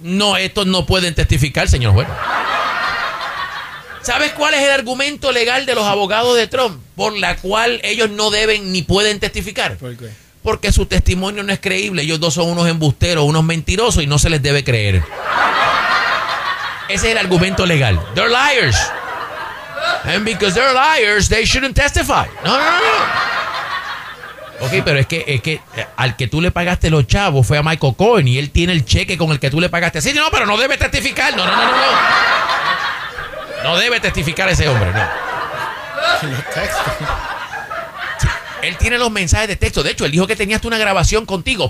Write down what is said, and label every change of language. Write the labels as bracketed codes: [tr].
[es] No, estos no pueden testificar, señor juez. ¿Sabes cuál es el argumento legal de los abogados de Trump por la cual ellos no deben ni pueden testificar? ¿Por qué? Porque su testimonio no es creíble. Ellos dos son unos embusteros, unos mentirosos, y no se les debe creer. Ese es el argumento legal. [en] They're liars. And because they're liars, they shouldn't testify. [es] No. Ok, pero es que al que tú le pagaste los chavos fue a Michael Cohen, y él tiene el cheque con el que tú le pagaste. Sí, no, pero no debe testificar. No. No debe testificar ese hombre, no. Los textos. Él tiene los mensajes de texto. De hecho, él dijo que tenías una grabación contigo.